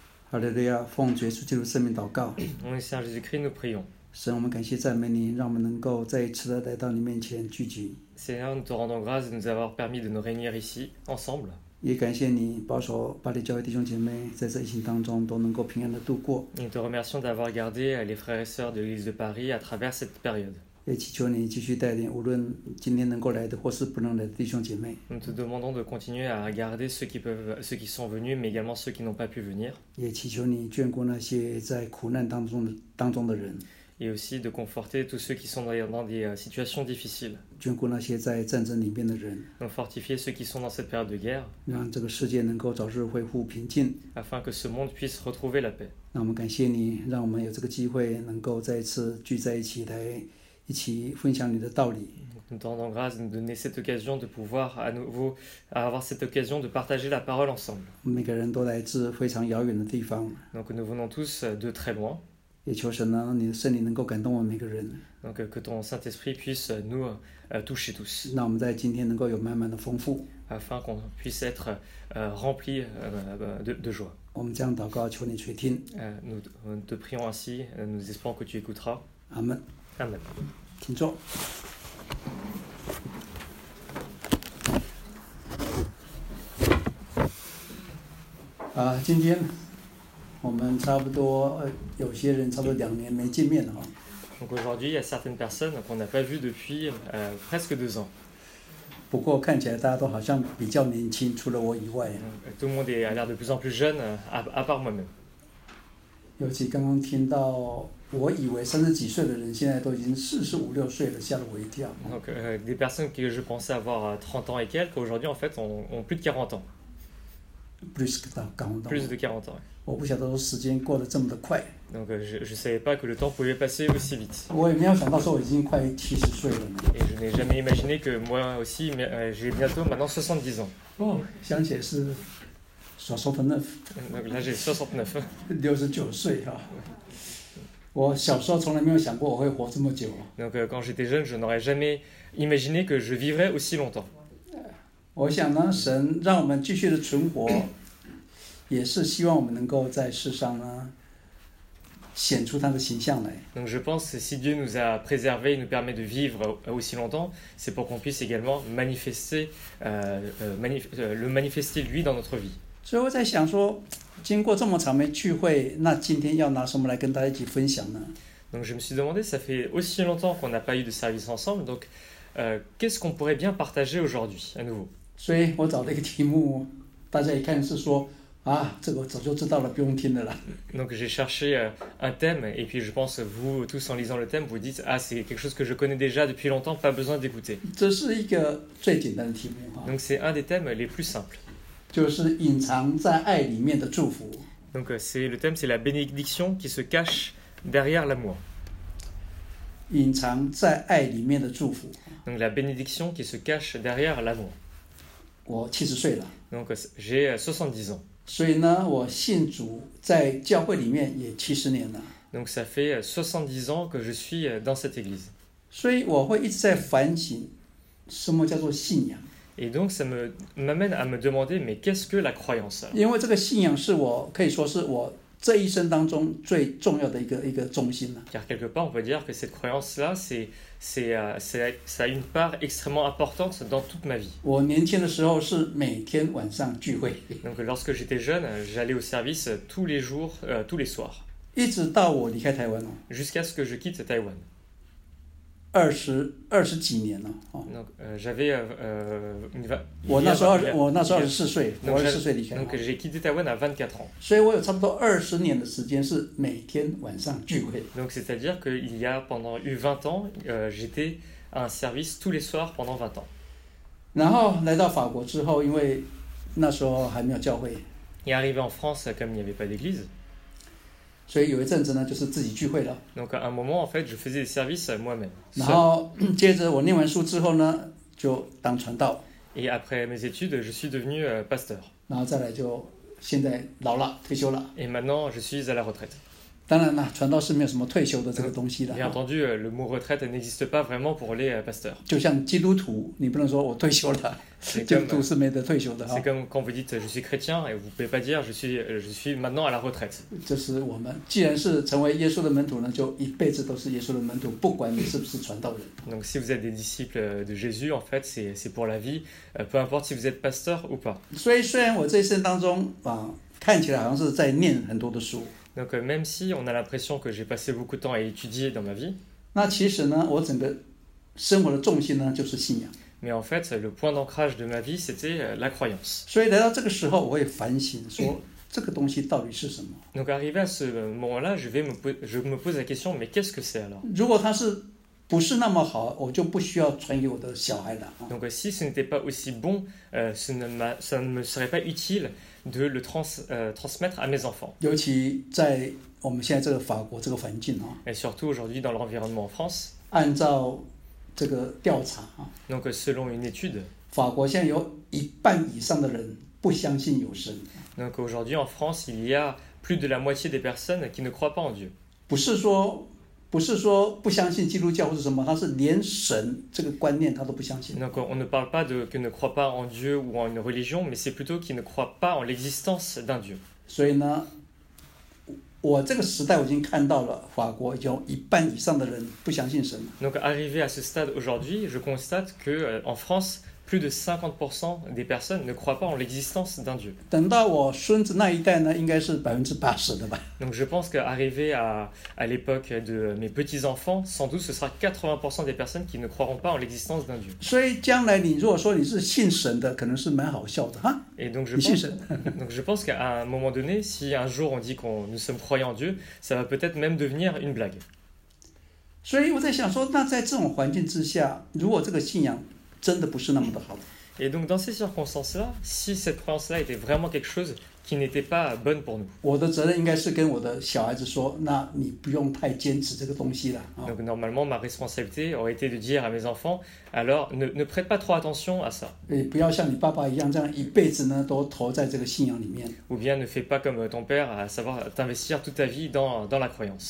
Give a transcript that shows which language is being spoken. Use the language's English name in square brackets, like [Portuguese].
[Chinese] 哈利路亚，奉主耶稣基督圣名祷告。我们向主耶稣基督配用。神，我们感谢赞美你，让我们能够再一次的来到你面前聚集。 [French] Seigneur, nous te rendons grâce de nous avoir permis de nous réunir ici ensemble. [Chinese] 也感谢你保守巴黎教会弟兄姐妹在这疫情当中都能够平安的度过。 [French] Nous te remercions d'avoir gardé les frères et sœurs de l'église de Paris à travers cette période. [Chinese] 也祈求你继续带领，无论今天能够来的或是不能来的弟兄姐妹。 [French] Nous te demandons de continuer à garder ceux qui sont venus, mais également ceux qui n'ont pas pu venir. [Chinese] 也祈求你眷顾那些在苦难当中的人。 [French] Et aussi de conforter tous ceux qui sont dans des situations difficiles. [Chinese] 眷顾那些在战争里面的人。 [French] Donc fortifier ceux qui sont dans cette période de guerre. [Chinese] 让这个世界能够早日恢复平静。 [French] Afin que ce monde puisse retrouver la paix. [Chinese] 让我们感谢你，让我们有这个机会能够再次聚在一起来。一起分享你的道理。 [French] Nous te rendons grâce de nous donner cette occasion de pouvoir à nouveau avoir cette occasion de partager la parole ensemble. [Chinese] 每个人都来自非常遥远的地方。 [French] Donc nous venons tous de très loin. [Chinese] 也求神呢，你的圣灵能够感动我们每个人。 [French] Donc que ton Saint-Esprit puisse nous toucher tous. [Chinese] 让我们在今天能够有满满的丰富。 [French] Afin qu'on puisse être rempli de joie. [Chinese] 我们将祷告求你垂听。 [French] Nous te prions ainsi, nous espérons que tu écouteras. [Chinese] Amen. 请坐。今天我们差不多，有些人差不多两年没见面了。 [French] Donc aujourd'hui, il y a certaines personnes qu'on n'a pas vues depuis presque deux ans. [Chinese] 不过看起来大家都好像比较年轻，除了我以外。 [French] Tout le monde a l'air de plus en plus jeune, à part moi-même. [Chinese] 尤其刚刚听到。我以为三十几岁的人现在都已经四十五六岁了，吓了我一跳。 [French] Donc, des personnes que je pensais avoir 30 ans et quelques, aujourd'hui en fait ont plus de 40 ans. Plus de 40 ans. Plus de 40 ans. [Chinese] 我不晓得说时间过得这么的快。 [French] Donc, je savais pas que le temps pouvait passer aussi vite. [Chinese] 我也没有想到说我已经快七十岁了。 [French] Et je n'ai jamais imaginé que moi aussi, j'ai bientôt maintenant 70 ans. [Chinese] 哦，想起来是69。 [French] Donc là j'ai 69. [Chinese] 69岁啊。我小时候从来没有想过我会活这么久。 [French] Donc, quand j'étais jeune, je n'aurais jamais imaginé que je vivrais aussi longtemps. [Chinese] 我想呢，神让我们继续的存活，也是希望我们能够在世上呢，显出他的形象来。 [French] Donc, je pense que si Dieu nous a préservé et nous permet de vivre aussi longtemps, c'est pour qu'on puisse également manifester lui dans notre vie. [Chinese] 所以我在想说，经过这么长没聚会，那今天要拿什么来跟大家一起分享呢？ [French] Donc je me suis demandé, ça fait aussi longtemps qu'on n'a pas eu de service ensemble, donc qu'est-ce qu'on pourrait bien partager aujourd'hui à nouveau? [Chinese] 所以我找了一个题目，大家一看是说啊，这个早就知道了，不用听的了。 [French] Donc j'ai cherché un thème, et puis je pense vous tous en lisant le thème, vous dites ah c'est quelque chose que je connais déjà depuis longtemps, pas besoin d'écouter. [Chinese] 这是一个最简单的题目。 [French] Donc c'est un des thèmes les plus simples. [Chinese] 就是隐藏在爱里面的祝福。 [French] Donc c'est le thème, c'est la bénédiction qui se cache derrière l'amour. [Chinese] 隐藏在爱里面的祝福。 [French] Donc la bénédiction qui se cache derrière l'amour. [Chinese] 我七十岁了。 [French] Donc j'ai 70 ans. [Chinese] 所以呢，我信主在教会里面也七十年了。 [French] Donc ça fait 70 ans que je suis dans cette église. [Chinese] 所以我会一直在反省，什么叫做信仰。 [French] Et donc ça m'amène à me demander, mais qu'est-ce que la croyance? [Chinese] 因为这个信仰是我可以说是我这一生当中最重要的一个中心了。 [French] Car quelque part, on peut dire que cette croyance-là, ça a une part extrêmement importante dans toute ma vie. [Chinese] 我年轻的时候是每天晚上聚会。 [French] Donc lorsque j'étais jeune, j'allais au service tous les jours, tous les soirs. [Chinese] 一直到我离开台湾。 [French] Jusqu'à ce que je quitte Taïwan. [Chinese] 二十几年了。 [French] Donc, j'avais, [Chinese] 我那时候24岁，我24岁离开。 [French] Donc, j'ai quitté Taïwan à 24 ans. [Chinese] 所以我有差不多20年的时间是每天晚上聚会。 [French] Donc, c'est-à-dire qu'il y a pendant 20 ans, j'étais à un service tous les soirs pendant 20 ans. [Chinese] 然后来到法国之后，因为那时候还没有教会。 [French] Et arrivé en France, comme il n'y avait pas d'église. [Chinese] 所以有一阵子呢，就是自己聚会了。 [French] Donc à un moment en fait, je faisais des services moi-même. [Chinese] 然后接着我念完书之后呢，就当传道。 [French] Et après mes études, je suis devenu pasteur. [Chinese] 然后再来就现在老了，退休了。 [French] Et maintenant, je suis à la retraite. [Chinese] 当然了，传道是没有什么退休的这个东西的。 [French] bien entendu, le mot retraite n'existe pas vraiment pour les pasteurs. [Chinese] 就像基督徒，你不能说我退休了。基督徒是没得退休的。 [French] C'est comme quand vous dites je suis chrétien et vous pouvez pas dire je suis maintenant à la retraite. [Chinese] 这是我们既然是成为耶稣的门徒呢，就一辈子都是耶稣的门徒，不管你是不是传道人。 [French] Donc si vous êtes des disciples de Jésus, en fait, c'est pour la vie, peu importe si vous êtes pasteur ou pas. [Chinese] 所以虽然我这一生当中啊，看起来好像是在念很多的书。 [French] Donc même si on a l'impression que j'ai passé beaucoup de temps à étudier dans ma vie, [Chinese] 那其实呢，我整个生活的重心呢就是信仰。 [French] Mais en fait, le point d'ancrage de ma vie, c'était la croyance. [Chinese] 所以来到这个时候，我也反省说这个东西到底是什么。 [French] Donc arrivé à ce moment-là, je me pose la question, mais qu'est-ce que c'est alors? [Chinese] 如果它是不是那么好，我就不需要传给我的小孩了。 [French] Donc si ce n'était pas aussi bon, ça ne me serait pas utile. De le transmettre à mes enfants. [Chinese] 尤其在我们现在这个法国这个环境啊。 [French] Et surtout aujourd'hui dans l'environnement en France. [Chinese] 按照这个调查啊。 [French] Donc selon une étude. [Chinese] 法国现在有一半以上的人不相信有神。 [French] Donc aujourd'hui en France, il y a plus de la moitié des personnes qui ne croient pas en Dieu. [Chinese] 不是说不相信基督教或是什么，他是连神这个观念他都不相信。 [French] Donc on ne parle pas de qu'il ne croit pas en Dieu ou en une religion, mais c'est plutôt qu'il ne croit pas en l'existence d'un Dieu. [Chinese] 所以呢，我这个时代我已经看到了，法国有一半以上的人不相信神。 [French] Donc arrivé à ce stade aujourd'hui, je constate que en France, plus de 50% des personnes ne croient pas en l'existence d'un Dieu. [Chinese] 等到我孙子那一代呢，应该是80%的吧。 [French] Donc je pense qu'arrivé à l'époque de mes petits-enfants, sans doute ce sera 80% des personnes qui ne croiront pas en l'existence d'un Dieu. [Chinese] 所以将来你如果说你是信神的，可能是蛮好笑的哈。 [French] Et donc je pense, qu'à un moment donné, si un jour on dit qu'on nous sommes croyants en Dieu, ça va peut-être même devenir une blague. [Chinese] 所以我在想说，那在这种环境之下，如果这个信仰真的不是那么的好。 [French] Et donc dans ces circonstances-là, si cette croyance-là était vraiment quelque chose qui n'était pas bonne pour nous. [Chinese] 我的责任应该是跟我的小孩子说，那你不用太坚持这个东西了。 [French] Donc normalement, ma responsabilité aurait été de dire à mes enfants, alors ne prête pas trop attention à ça. [Chinese] Et 不要像你爸爸一样，这样一辈子呢都投在这个信仰里面。 [French] Ou bien ne fais pas comme ton père, à savoir t'investir toute ta vie dans la croyance.